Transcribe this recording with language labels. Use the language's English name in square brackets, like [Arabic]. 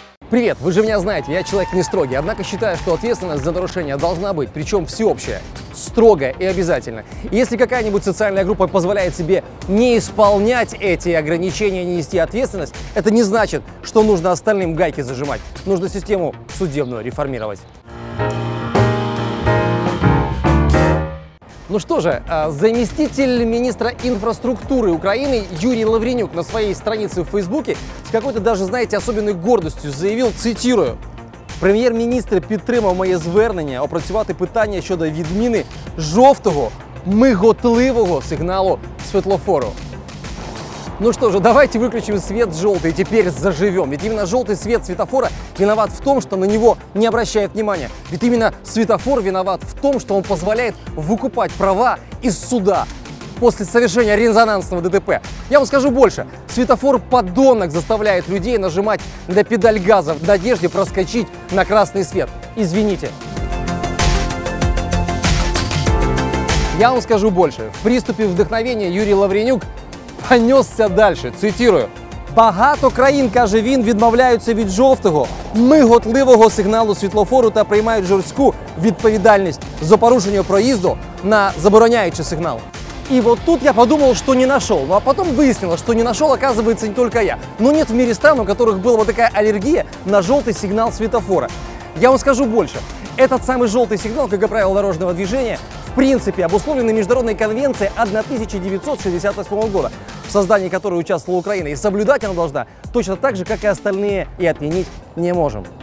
[Russian] Привет, вы же меня знаете, я человек не строгий, однако считаю, что ответственность за нарушение должна быть, причем всеобщая, строгая и обязательно. И если какая-нибудь социальная группа позволяет себе не исполнять эти ограничения, не нести ответственность, это не значит, что нужно остальным гайки зажимать. Нужно систему судебную реформировать. Ну что же, заместитель министра инфраструктуры Украины Юрий Лавренюк на своей странице в Фейсбуке с какой-то даже, знаете, особенной гордостью заявил, цитирую, [Ukrainian] «Прем'єр-міністр підтримав моє звернення опрацювати питання щодо відміни жовтого миготливого сигналу світлофору». [Russian] Ну что же, давайте выключим свет желтый, теперь заживем. Ведь именно желтый свет светофора виноват в том, что на него не обращают внимания. Ведь именно светофор виноват в том, что он позволяет выкупать права из суда после совершения резонансного ДТП. Я вам скажу больше. Светофор подонок заставляет людей нажимать на педаль газа в надежде проскочить на красный свет. Извините. Я вам скажу больше. В приступе вдохновения Юрий Лавренюк понесся дальше, цитирую. [Ukrainian] «Багато країн, каже він, відмовляються від жовтого, миготливого сигналу світлофору та приймають жорстку відповідальність за порушення проїзду на забороняючий сигнал». [Russian] И вот тут я подумал, что не нашел. Ну а потом выяснилось, что не нашел, оказывается, не только я. Но нет в мире стран, у которых была бы такая аллергия на желтый сигнал светофора. Я вам скажу больше. Этот самый желтый сигнал, как и правило дорожного движения, в принципе, обусловленной Международной конвенцией 1968 года, в создании которой участвовала Украина, и соблюдать она должна точно так же, как и остальные, и отменить не можем.